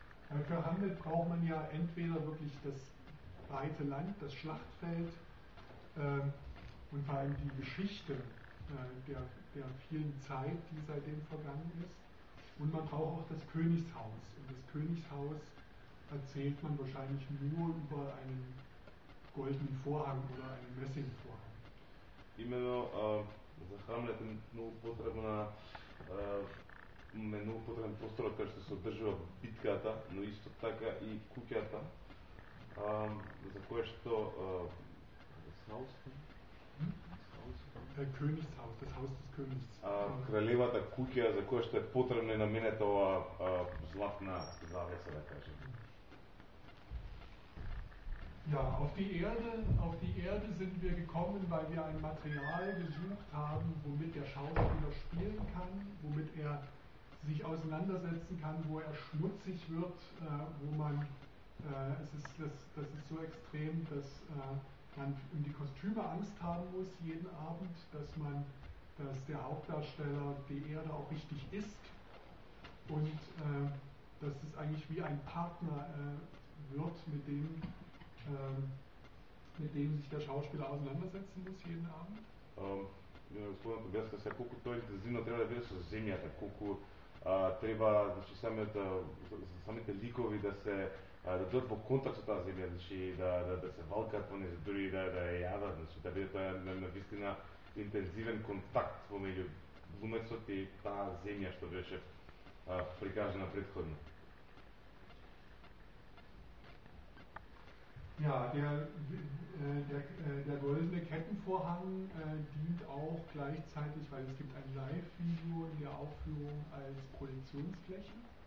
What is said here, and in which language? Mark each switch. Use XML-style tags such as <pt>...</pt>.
<de>Für Hamlet braucht man ja entweder wirklich das weite Land, das Schlachtfeld und vor allem die Geschichte der vielen Zeit, die seitdem vergangen ist. Und man braucht auch das Königshaus. Und das Königshaus erzählt man wahrscheinlich nur über einen goldenen Vorhang oder einen Messingvorhang.</de> <mk>Именно за Хамлет е многу потребна многу потребен простор кој што се одржува битката, но исто така и куќата за кое што Кралевата куќа за која што е потребна на мене тоа златна завеса да кажам.</mk> <de>Ja, auf die Erde sind wir gekommen, weil wir ein Material gesucht haben, womit der Schauspieler spielen kann, womit er sich auseinandersetzen kann, wo er schmutzig wird, wo man es ist so extrem, dass man um die Kostüme Angst haben muss jeden Abend, dass der Hauptdarsteller die Erde auch richtig isst und dass es eigentlich wie ein Partner wird, mit dem sich der Schauspieler auseinandersetzen muss jeden Abend.</de> <mk>Господин Тобиаска, се колку тој интензивно треба да биде со земјата, колку треба значи самите ликови да дојдат во контакт со таа земја, значи да се валкаат во нејзи дури да ја јадат, значи да биде тоа на вистина интензивен контакт помеѓу глумецот и таа земја што беше прикажана претходно.</mk> <de>Ja, der goldene Kettenvorhang dient auch gleichzeitig, weil es gibt ein Live-Video in der Aufführung als Projektionsfläche.</de>